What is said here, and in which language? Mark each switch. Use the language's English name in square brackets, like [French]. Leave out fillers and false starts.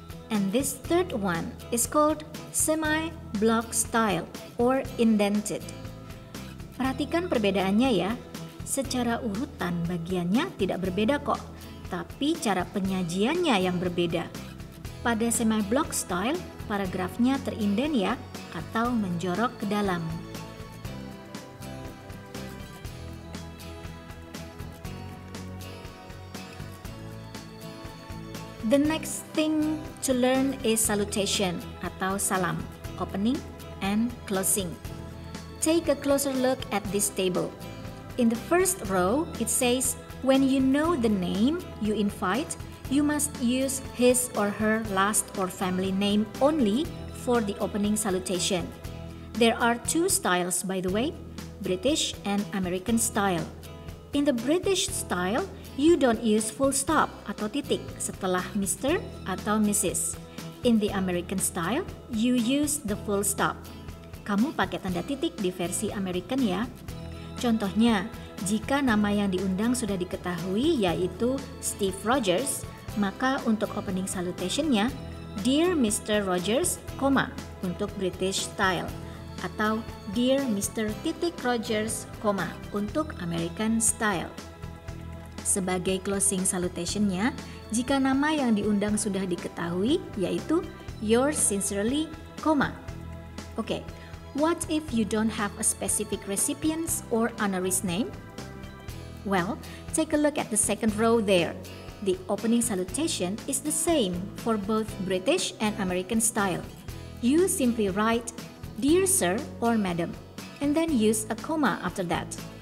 [English] And this third one is called semi-block style or indented. [Indonesian] Perhatikan perbedaannya ya. Secara urutan bagiannya tidak berbeda kok, tapi cara penyajiannya yang berbeda. Pada semi block style, paragrafnya terinden ya atau menjorok ke dalam. [English] The next thing to learn is salutation [Indonesian] atau salam, [English] opening and closing. Take a closer look at this table. In the first row, it says, when you know the name you invite, you must use his or her last or family name only for the opening salutation. There are two styles, by the way, British and American style. In the British style, you don't use full stop [Indonesian] atau titik setelah [English] Mr. atau Mrs. In the American style, you use the full stop. [Indonesian] Kamu pakai tanda titik di versi American ya. Contohnya, jika nama yang diundang sudah diketahui yaitu Steve Rogers, maka untuk [English] opening salutation- [Indonesian] nya, [English] Dear Mr. [Indonesian] Rogers, koma untuk [English] British style, [Indonesian] atau [English] Dear Mr. [Indonesian] Titik Rogers, koma untuk [English] American style. [Indonesian] Sebagai [English] closing salutation- [Indonesian] nya, jika nama yang diundang sudah diketahui yaitu [English] Yours Sincerely, [Indonesian] koma. Oke. [English] What if you don't have a specific recipient's or honoree's name? Well, take a look at the second row there. The opening salutation is the same for both British and American style. You simply write, "Dear Sir or Madam," and then use a comma after that.